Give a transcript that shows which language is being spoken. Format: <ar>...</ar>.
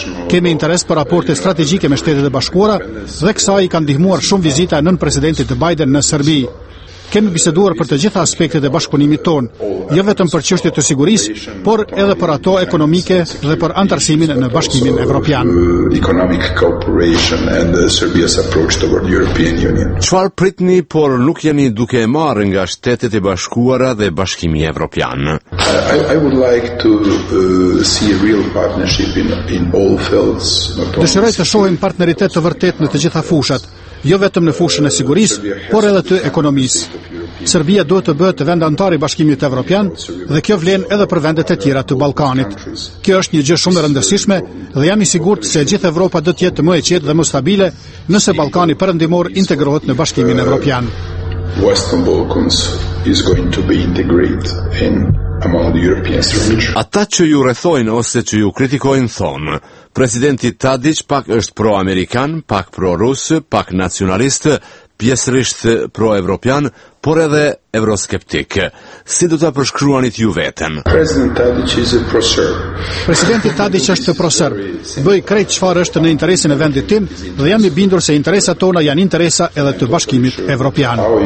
<sq>Kemi interes për raporte strategjike me Shtetet e Bashkuara, dhe kësaj i ka ndihmuar shumë vizita e nën presidentit Biden në Serbi. Kemi biseduar për të gjitha aspektet e bashkëpunimit ton, jo vetëm për çështjet e sigurisë, por edhe për ato ekonomike dhe për antarësimin në Bashkimin Evropian.</sq> <en>Economic cooperation and Serbia's approach toward the European Union.</en> <sq>Çfarë pritni, por nuk jeni duke e marrë nga Shtetet e Bashkuara dhe Bashkimi Evropian?</sq> <en>I would like to see a real partnership in all fields.</en> <sq>Dëshiroj të shohim partneritet të vërtet në të gjitha fushat. Jo vetëm në fushën e sigurisë, por edhe të ekonomisë. Serbia duhet të bëhet vend antar i Bashkimit Evropian, dhe kjo vlen edhe për vendet e tjera të Ballkanit. Kjo është një gjë shumë e rëndësishme, dhe jam i sigurt se gjithë Evropa do të jetë më e qetë dhe më stabile nëse Ballkani perëndimor integrohet në Bashkimin Evropian.</sq> <en>Western Balkans is going to be integrated in among the European Union.</en> <sq>Ata që ju rrethojnë ose që ju kritikojnë thonë: Presidenti Tadić pak është pro-amerikan, pak pro-rus, pak nacionalist, pjesërisht pro-evropian, por edhe euroskeptik. Si do ta përshkruanit ju veten? Presidenti Tadić është pro-serb. Bëj krejt çfarë është në interesin e vendit tim, dhe jam i bindur se interesat tona janë interesa edhe të Bashkimit Evropian.</sq>